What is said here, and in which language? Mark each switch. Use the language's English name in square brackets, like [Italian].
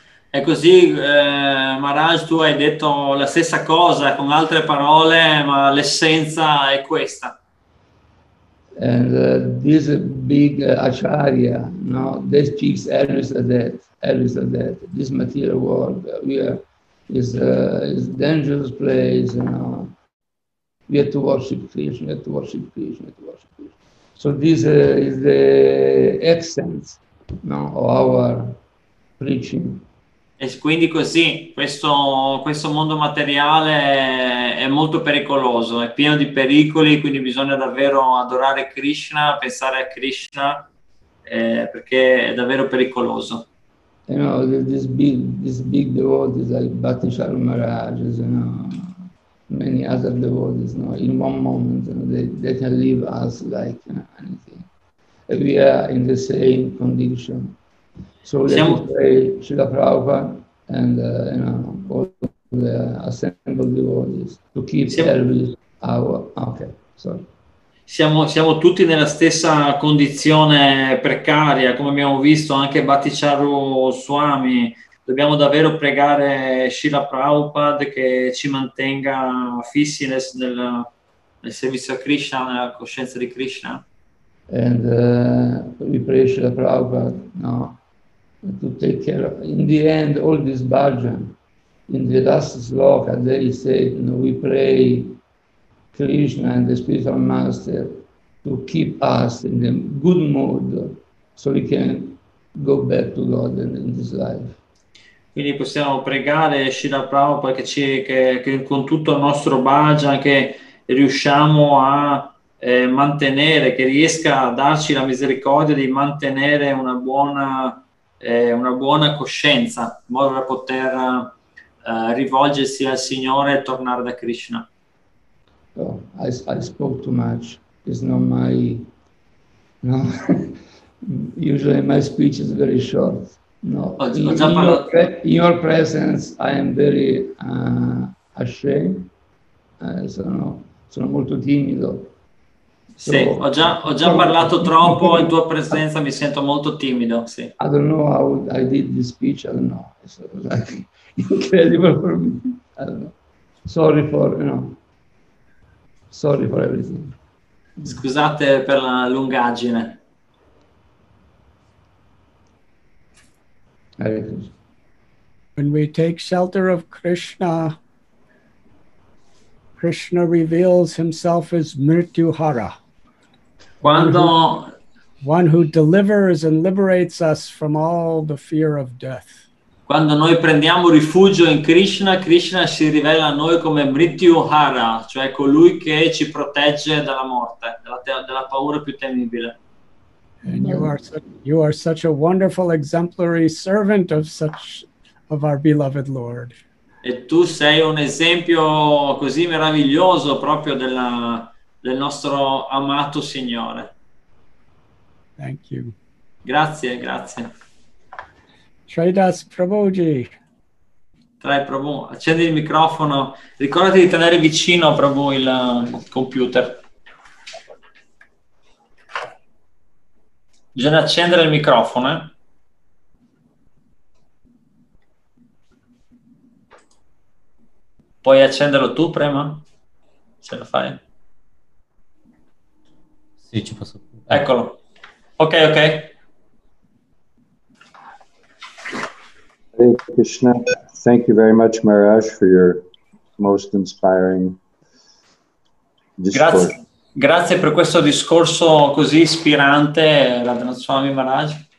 [Italian] È così, Maharaj, tu hai detto la stessa cosa con altre parole, ma l'essenza è questa. [English] And this big acharya, no, this speaks always of that, this material world, we are, is a dangerous place, you know. We have to worship Krishna, we have to worship Krishna, we have to worship Krishna. So this is the accent, no, of our preaching. [Italian] E quindi così, questo mondo materiale è molto pericoloso, è pieno di pericoli, quindi bisogna davvero adorare Krishna, pensare a Krishna, perché è davvero pericoloso. [English] You know, this big devotees like Bhakti Charu Maharaj, you know, many other devotees, you know, in one moment, you know, they can leave us like, you know, anything. We are in the same condition. So let me pray Srila Prabhupada and all the assembled devotees to keep service our [Italian] Siamo tutti nella stessa condizione precaria, come abbiamo visto anche Bhakti Charu Swami. Dobbiamo davvero pregare Srila Prabhupada che ci mantenga fissi nel servizio a Krishna, nella coscienza di Krishna. [English] And we pray Srila Prabhupada, no, to take care of. In the end, all this bhajan, in the last sloka, they say, you know, we pray Krishna and the spiritual master to keep us in the good mood so we can go back to God in this life. [Italian] Quindi possiamo pregare Srila Prabhupada che con tutto il nostro bhajan che riusciamo a mantenere, che riesca a darci la misericordia di mantenere una buona coscienza in modo da poter rivolgersi al Signore e tornare da Krishna. [English] Oh, I spoke too much. It's not my, no. Usually my speech is very short. No. In your presence I am very ashamed. [Italian] Sono molto timido. So, sì, ho già parlato troppo in tua presenza, mi sento molto timido, sì. [English] I don't know how I did this speech, I don't know. It's like incredible for me. I don't know. Sorry for everything. [Italian] Scusate per la lungaggine. [English] When we take shelter of Krishna, Krishna reveals himself as Mrityuhara. One who delivers and liberates us from all the fear of death. [Italian] Quando noi prendiamo rifugio in Krishna, Krishna si rivela a noi come Mrityuhara, cioè colui che ci protegge dalla morte, dalla paura più temibile. [English] And you are such a wonderful exemplary servant of such of our beloved Lord. [Italian] E tu sei un esempio così meraviglioso proprio del nostro amato Signore. [English] Thank you. [Italian] Grazie. Tridas Prabhuji. Tre Prabhu, accendi il microfono. Ricordati di tenere vicino Prabhu il computer. Bisogna accendere il microfono. Puoi accenderlo tu, Prema? Ce la fai? Sì, ci posso. Eccolo. Ok. [English] Hare Krishna, thank you very much, Maharaj, for your most inspiring discourse. [Italian] Grazie per questo discorso così ispirante, Radhanath Swami Maharaj.